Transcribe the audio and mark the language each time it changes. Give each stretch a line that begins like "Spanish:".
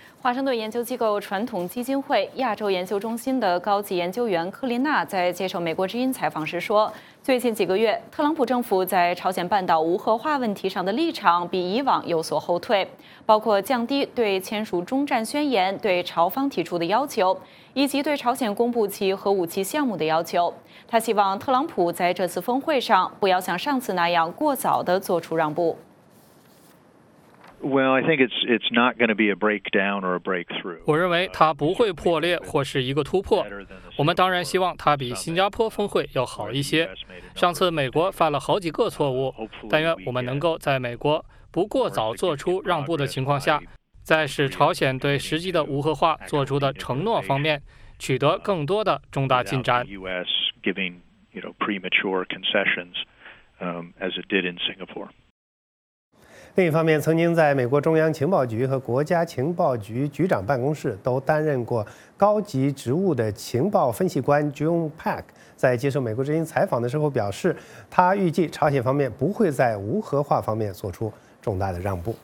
Chinese: 华盛顿研究机构传统基金会亚洲研究中心的高级研究员克林娜在接受美国之音采访时说，最近几个月，特朗普政府在朝鲜半岛无核化问题上的立场比以往有所后退，包括降低对签署中战宣言对朝方提出的要求，以及对朝鲜公布其核武器项目的要求。他希望特朗普在这次峰会上不要像上次那样过早地做出让步。
English: Well, I think it's not going to be a breakdown or a breakthrough.
Chinese: 我认为它不会破裂或是一个突破。我们当然希望它比新加坡峰会要好一些。上次美国犯了好几个错误，但愿我们能够在美国不过早做出让步的情况下，在使朝鲜对实际的无核化做出的承诺方面取得更多的重大进展。
English: U.S. giving, you know, premature concessions, as it did in Singapore.
Chinese: 另一方面，曾经在美国中央情报局和国家情报局局长办公室都担任过高级职务的情报分析官 June Pak 在接受美国之音采访的时候表示，他预计朝鲜方面不会在无核化方面做出重大的让步。